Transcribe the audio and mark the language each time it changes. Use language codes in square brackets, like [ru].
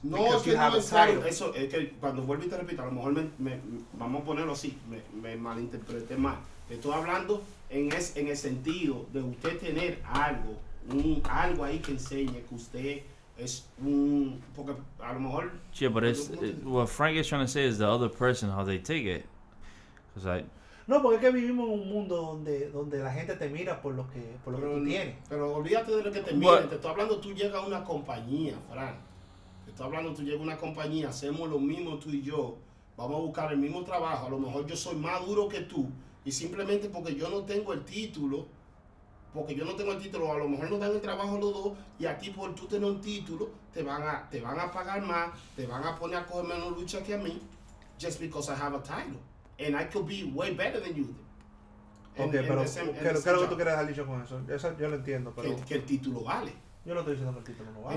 [es] No, es que [en] you have [es] no es claro. Eso es que cuando vuelvo y te repito, a lo mejor me vamos a ponerlo así, me malinterprete mal. Estoy hablando en el sentido de usted tener algo, algo ahí que enseñe que usted es un. Porque a lo mejor. Sí, yeah, pero es. [en] What Frank is trying to say is the other person, how they take it. [es] No, porque es que vivimos en un mundo donde la gente te mira por lo que tú tienes. Pero olvídate de lo que te miren. Te estoy hablando, tú llegas a una compañía, Fran. Te estoy hablando, tú llegas a una compañía, hacemos lo mismo tú y yo. Vamos a buscar el mismo trabajo. A lo mejor yo soy más duro que tú. Y simplemente porque yo no tengo el título, a lo mejor nos dan el trabajo los dos. Y a ti por tú tener un título, te van a pagar más, te van a poner a coger menos lucha que a mí. [en] Just because I have a title. And I could be way better than you. [es] Pero creo que tú quieres dejar dicho con eso. Eso yo lo entiendo, pero que el título vale. Yo no estoy diciendo que el título no vale.